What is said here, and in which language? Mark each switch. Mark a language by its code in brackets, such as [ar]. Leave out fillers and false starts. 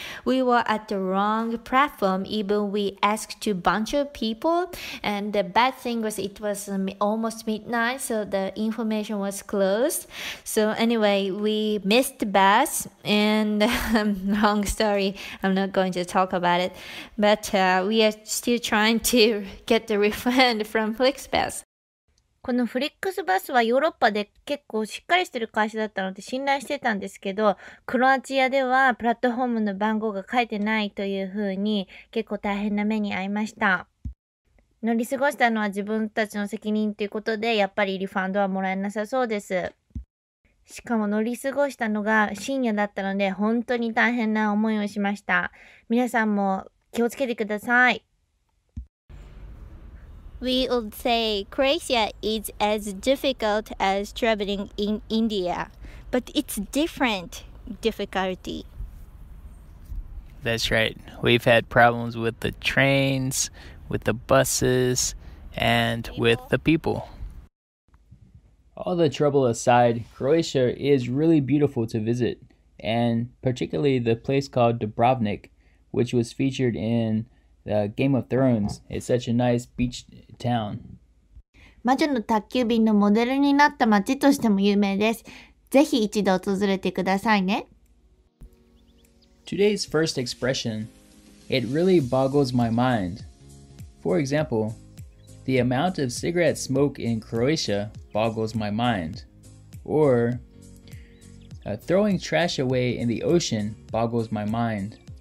[en] We were at the wrong platform. Even we asked to a bunch of people, and the bad thing was it was almost midnight, so the information was closed. So anyway, we missed the bus, and long story, I'm not going to talk about it, but we are still trying to get the refund from FlixBus. [ja] このフリックスバスはヨーロッパで結構しっかりしてる会社だったので信頼してたんですけど、クロアチアではプラットフォームの番号が書いてないというふうに結構大変な目に遭いました。乗り過ごしたのは自分たちの責任ということで、やっぱりリファンドはもらえなさそうです。しかも乗り過ごしたのが深夜だったので本当に大変な思いをしました。皆さんも気をつけてください。 [en] We would say Croatia is as difficult as traveling in India, but it's different difficulty. That's right. We've had problems with the trains, with the buses, and with the people. All the trouble aside, Croatia is really beautiful to visit, and particularly the place called Dubrovnik, which was featured in... Game of Thrones. It's such a nice beach town. [ja] 魔女の宅急便のモデルになった町としても有名です。ぜひ一度訪れてくださいね。 [en] Today's first expression, it really boggles my mind. For example, the amount of cigarette smoke in Croatia boggles my mind. Or, throwing trash away in the ocean boggles my mind.